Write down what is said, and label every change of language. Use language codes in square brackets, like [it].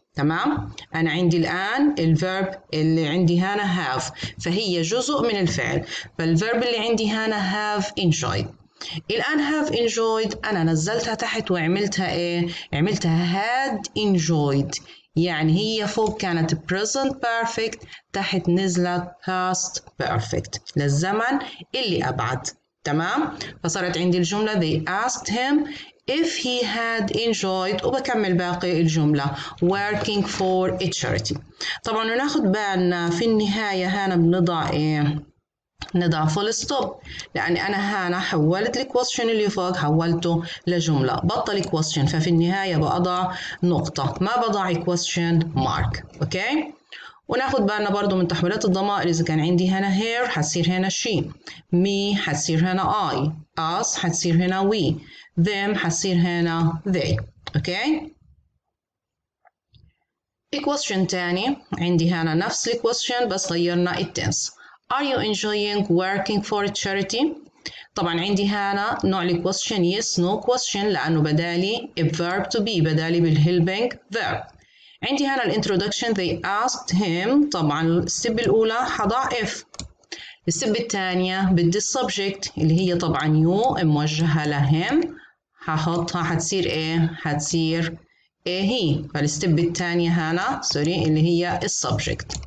[ar] تمام، انا عندي الان الفيرب اللي عندي هنا هاف فهي جزء من الفعل، فالفيرب اللي عندي هنا هاف انجويد. الآن have enjoyed أنا نزلتها تحت وعملتها إيه؟ عملتها had enjoyed، يعني هي فوق كانت present perfect تحت نزلت past perfect للزمن اللي أبعد. [en] تمام؟ [ar] فصارت عندي الجملة [en] they asked him if he had enjoyed، [ar] وبكمل باقي الجملة [en] working for a charity. [ar] طبعاً ناخد بالنا في النهاية هنا بنضع إيه؟ نضع فول ستوب، لأن أنا هنا حولت الكويستشن اللي فوق حولته لجملة، بطل الكويستشن، ففي النهاية بضع نقطة، ما بضع كويستشن مارك، أوكي؟ وناخد بالنا برضو من تحويلات الضمائر، إذا كان عندي هنا هير حتصير هنا شي، مي حتصير هنا أي، أس حتصير هنا وي، ذيم حتصير هنا ذي، أوكي؟ الكويستشن تاني، عندي هنا نفس الكويستشن بس غيرنا التنس. [en] Are you enjoying working for a charity؟ [ar] طبعا عندي هنا نوع الكويستشن [en] yes no question، لأنه بدالي verb to be بدالي بالhelping verb. [ar] عندي هنا الانترودكشن [en] they asked him، [ar] طبعا الستيب الأولى حضع if، الستيب الثانية بدي السبجكت اللي هي طبعا you موجهة لهم هحطها هتصير ايه؟ هتصير ايه هي، فالستيب الثانية هنا سوري اللي هي السبجكت.